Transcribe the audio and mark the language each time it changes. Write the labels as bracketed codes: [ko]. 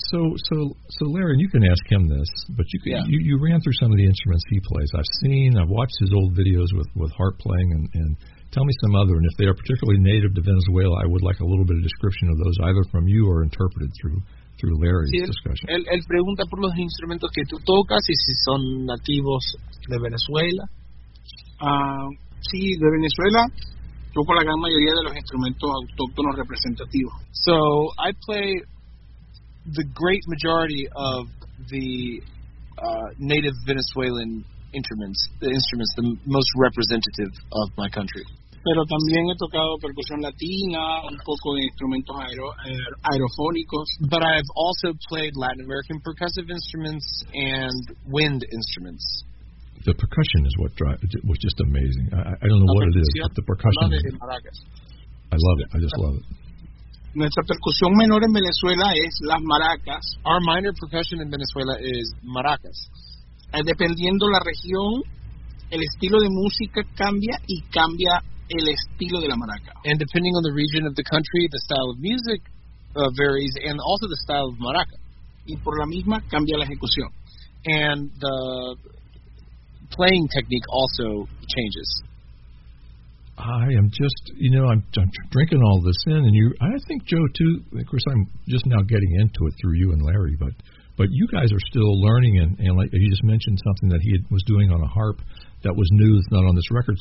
[en] So Larry, you can ask him this, but you ran through some of the instruments he plays. I've watched his old videos with harp playing and Tell me some other, and if they are particularly native to Venezuela, I would like a little bit of description of those, either from you or interpreted through Larry's discussion. [es] Él pregunta por los instrumentos que tú tocas y si son nativos de Venezuela. Sí, de Venezuela. Toco la gran mayoría de los instrumentos autóctonos representativos. [en] So I play the great majority of the native Venezuelan instruments, the most representative of my country. [es] Pero también he tocado percusión latina, un poco de instrumentos aerofónicos. [en] But I've also played Latin American percussive instruments and wind instruments. The percussion is what was just amazing. I don't know what it is, but the percussion. I love it. I just love it. [es] Nuestra percusión menor en Venezuela es las maracas. [en] Our minor percussion in Venezuela is maracas. [es] Dependiendo la región, el estilo de música cambia y cambia el estilo de la maraca. [en] And depending on the region of the country, the style of music varies, and also the style of maraca. [es] Y por la misma cambia la ejecución. [en] And the playing technique also changes. I am just, you know, I'm drinking all this in, and you, I think Joe too. Of course, I'm just now getting into it through you and Larry, but you guys are still learning, and like you just mentioned something that was doing on a harp that was new, that's not on this record.